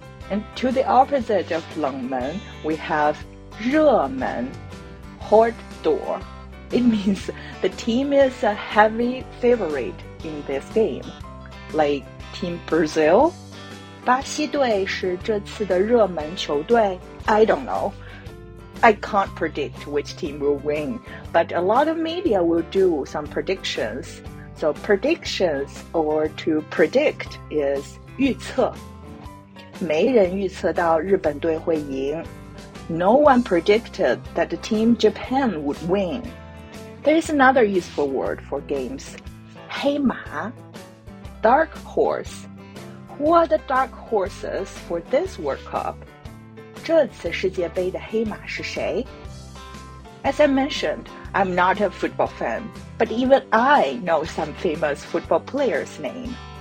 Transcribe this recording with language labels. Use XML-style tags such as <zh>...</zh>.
<en>And to the opposite of 冷门, we have 热门, hot door. It means the team is a heavy favorite in this game. Like Team Brazil?</en> <zh>巴西队是这次的热门球队?</zh> <en>I don't know. I can't predict which team will win, but a lot of media will do some predictions. So predictions or to predict is</en> <zh>预测。没人预测到日本队会赢。</zh> <en>No one predicted that the team Japan would win. There is another useful word for games.</en> <zh>黑马</zh> <en>Dark horse. Who are the dark horses for this World Cup?</en> <zh>这次世界杯的黑马是谁?</zh> <en>As I mentioned, I'm not a football fan, but even I know some famous football player's name.</en>